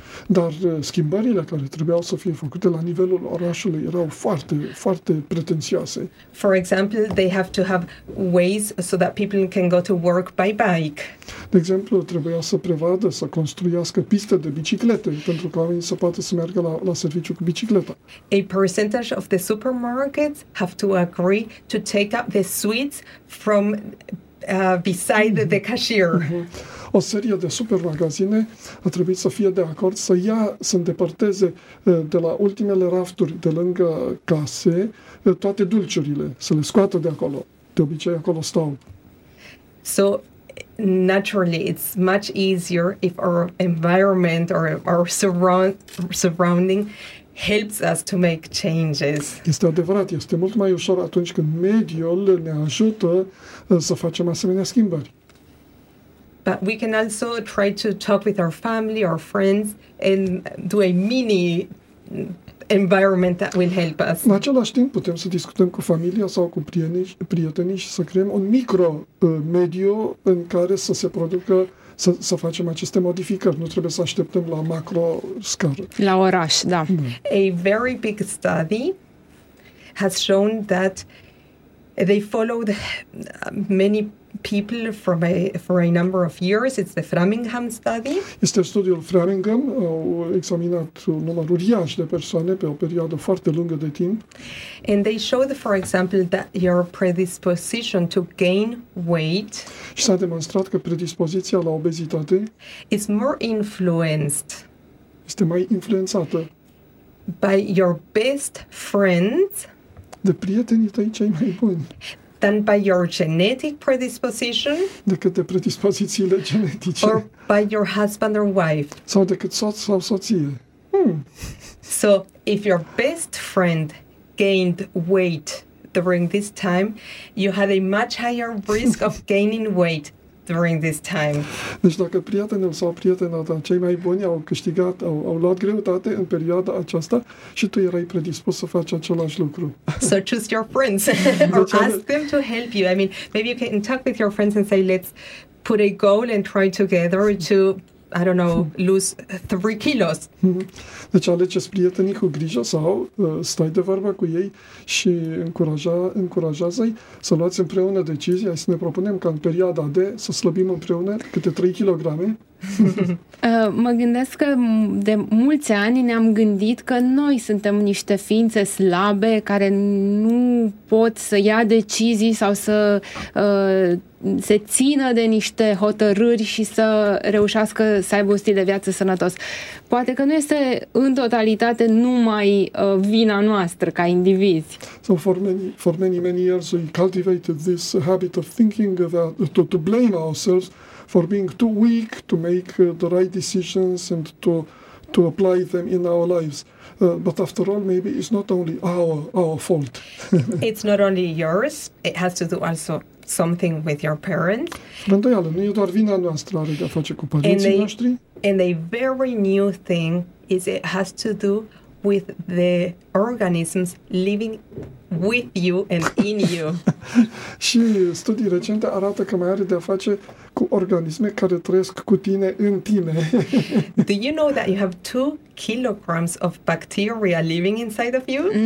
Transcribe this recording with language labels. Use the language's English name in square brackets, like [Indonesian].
[Romanian] Dar schimbările care trebuiau să fie făcute la nivelul orașului erau foarte, foarte pretențioase. [English] For example, they have to have ways so that people can go to work by bike. [Romanian] De exemplu, trebuia să prevadă să construiască piste de biciclete pentru ca oamenii să poată să meargă la serviciu cu bicicleta. [English] A percentage of the supermarkets have to agree to take up the sweets from beside the cashier. [Romanian] O serie de supermagazine a trebuit să fie de acord să ia, să îndepărteze de la ultimele rafturi de lângă case toate dulciurile, să le scoată de acolo. De obicei acolo stau. [English] So, naturally, it's much easier if our environment or our surrounding helps us to make changes. [Romanian] Este adevărat, este mult mai ușor atunci când mediul ne ajută să facem asemenea schimbări. [English] But we can also try to talk with our family or friends and do a mini environment that will help us. [Romanian] În același timp putem să discutăm cu familia sau cu prietenii și să creăm un micro mediu în care să se producă să facem aceste modificări. Nu trebuie să așteptăm la macro scară. La oraș, da. [English] A very big study has shown that they followed many people for a number of years. It's the Framingham study. [Romanian] Este studiul Framingham. Au examinat un număr uriaș de persoane pe o perioadă foarte lungă de timp. [English] And they showed, for example, that your predisposition to gain weight, [Romanian] și s-a demonstrat că predispoziția la obezitate [English] is more influenced, [Romanian] este mai influențată, [English] by your best friends, [Romanian] de prietenii tăi cei mai buni, [English] than by your genetic predisposition, [Romanian] decât de predispozițiile genetice, [English] or by your husband or wife, [Romanian] sau decât soț sau soție. [English] So, if your best friend gained weight during this time, you had a much higher risk of gaining weight during this time. [Romanian] Deci dacă prietenul sau prietena ta, cei mai buni, au câștigat, au luat greutate în perioada aceasta și tu erai predispus să faci același lucru. [English] So choose your friends or ask them to help you. I mean, maybe you can talk with your friends and say, let's put a goal and try together to, I don't know, lose 3 kilos. [Romanian] Deci alegeți prietenii cu grijă sau stai de vorbă cu ei și încurajează-i să luați împreună decizia și să ne propunem ca în perioada de să slăbim împreună câte 3 kilograme. Mă gândesc că de mulți ani ne-am gândit că noi suntem niște ființe slabe care nu pot să ia decizii sau să se țină de niște hotărâri și să reușească să aibă un stil de viață sănătos. Poate că nu este în totalitate numai vina noastră ca indivizi. [English] So for many years we cultivated this habit of thinking about to blame ourselves for being too weak to make the right decisions and to apply them in our lives. But after all, maybe it's not only our fault. It's not only yours. It has to do also something with your parents. [Romanian] Îndoială, nu e doar vina noastră, are de-a face cu părinții noștri. [English] And a very new thing is it has to do with the organisms living with you and in you. [Romanian] Și studii recente arată că mai are de-a face cu organisme care trăiesc cu tine în tine. [English] Do you know that you have 2 kilograms of bacteria living inside of you?